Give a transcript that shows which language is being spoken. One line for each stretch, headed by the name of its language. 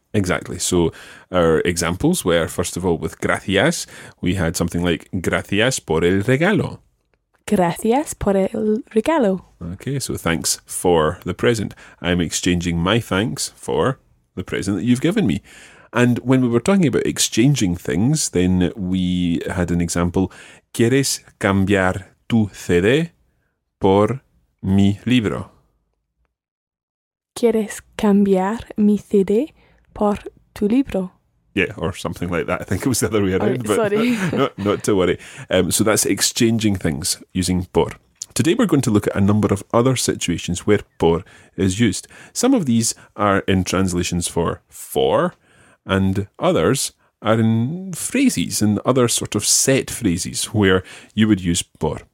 English: Exactly. So our examples were, first of all, with gracias, we had something like
Spanish: gracias por el regalo. Gracias por el regalo.
English: Okay, so thanks for the present. I'm exchanging my thanks for the present that you've given me. And when we were talking about exchanging things, then we had an example.
Spanish: ¿Quieres cambiar tu CD por mi libro? ¿Quieres cambiar mi CD por tu libro?
English: Yeah, or something like that. I think it was the other way around. Right, sorry. not to worry. So that's exchanging things using por. Today we're going to look at a number of other situations where por is used. Some of these are in translations for, and others are in phrases, in other sort of set phrases where you would use por.